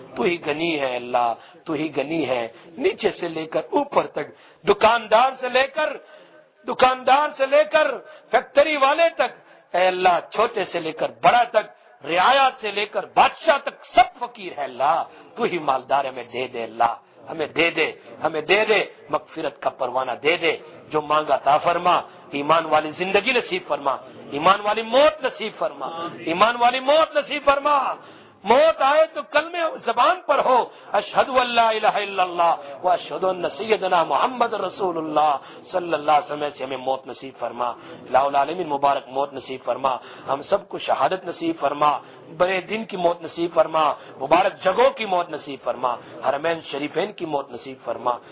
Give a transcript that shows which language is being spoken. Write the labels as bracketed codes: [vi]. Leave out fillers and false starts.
[ur] تو ہی غنی ہے اللہ, تو ہی غنی ہے, نیچے سے لے کر اوپر تک, دکاندار سے لے کر فیکٹری والے تک, اے اللہ چھوٹے سے لے کر بڑا تک, رعایا سے لے کر بادشاہ تک سب فقیر ہے اللہ. تو ہی مالدار ہمیں دے دے اللہ, ہمیں دے دے مغفرت کا پروانہ دے دے, جو مانگا تھا فرما. ایمان والی زندگی نصیب فرما, ایمان والی موت نصیب فرما, ایمان والی موت نصیب فرما. موت آئے تو کلمے زبان پر ہو [ar] اشہد ان لا الہ الا اللہ و اشہد ان سیدنا محمد رسول اللہ صلی اللہ علیہ وسلم, [ur] سے ہمیں موت نصیب فرما. الہ العالمین مبارک موت نصیب فرما, ہم سب کو شہادت نصیب فرما, بڑے دن کی موت نصیب فرما, مبارک جگہوں کی موت نصیب فرما, حرمین شریفین کی موت نصیب فرما.